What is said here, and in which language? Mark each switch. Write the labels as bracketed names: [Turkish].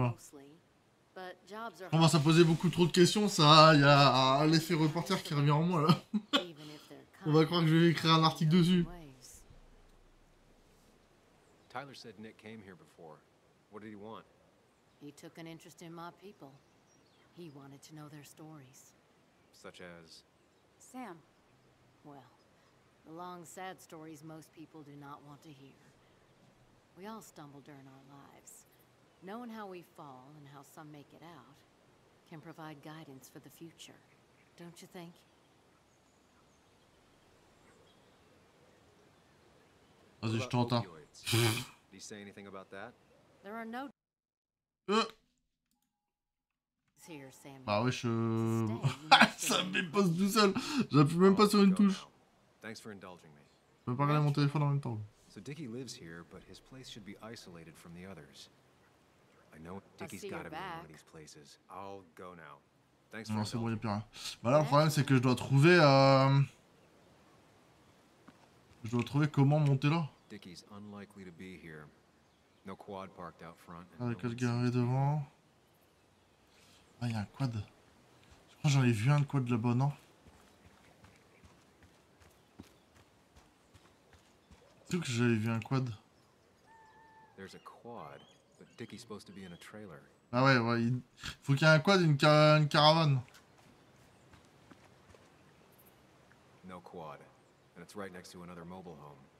[French] On commence à poser beaucoup trop de questions, ça. Il y a l'effet reporter qui revient en moi là. On va croire que je vais écrire un article dessus. [English] Tyler said Nick came here before. What did he want? He took an interest in my people. He wanted to know their stories. Such as? Sam. Well, the long, sad stories most people do not want to hear. We all stumble during our lives. Knowing how we fall and how some make it out can provide guidance for the future, don't you think? [French] Vas-y, je t'entends. [English] Do you say anything about that? There are no... Here, Sam. [French] Bah ouais, je... Ça me dépose tout seul. J'appuie même pas sur une touche. [English] Thanks for indulging me. [French] Je peux pas regarder mon téléphone en même temps. [English] So Dicky lives here, but his place should be isolated from the others. I know Dicky's got to be in one of these places. I'll go now. Thanks for [French] indulging. Non, c'est bon, y'a plus rien. Bah là, le problème, c'est que je dois trouver... Je dois trouver comment monter là. [English] Dicky's unlikely to be here. No quad parked out front. [French] Ah, quel garé devant. Ah, y'a un quad. Je crois que j'en ai vu un de quad là-bas, non? C'est où que j'avais vu un quad? [English] There's a quad, but Dicky's supposed to be in a trailer. [French] Ah ouais, ouais, il faut qu'il y ait un quad et une caravane. [English] No quad. And it's right next to another mobile home.